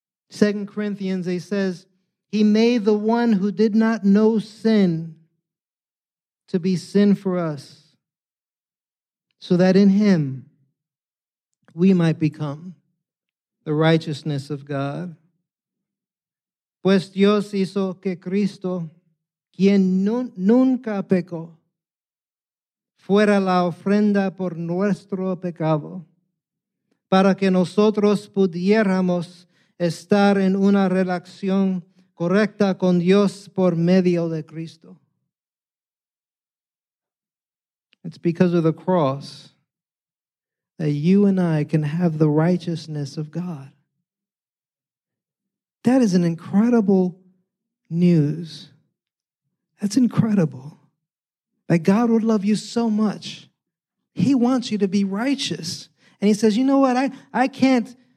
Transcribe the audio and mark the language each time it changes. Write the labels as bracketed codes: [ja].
[en] 2 Corinthians, he says, he made the one who did not know sin to be sin for us, so that in him we might become the righteousness of God. [es] Pues Dios hizo que Cristo, quien nunca pecó, fuera la ofrenda por nuestro pecado, para que nosotros pudiéramos estar en una relación correcta con Dios por medio de Cristo. [en] It's because of the cross that you and I can have the righteousness of God. That is an incredible news. That's incredible. That God would love you so much. He wants you to be righteous. And he says, you know what? I can't.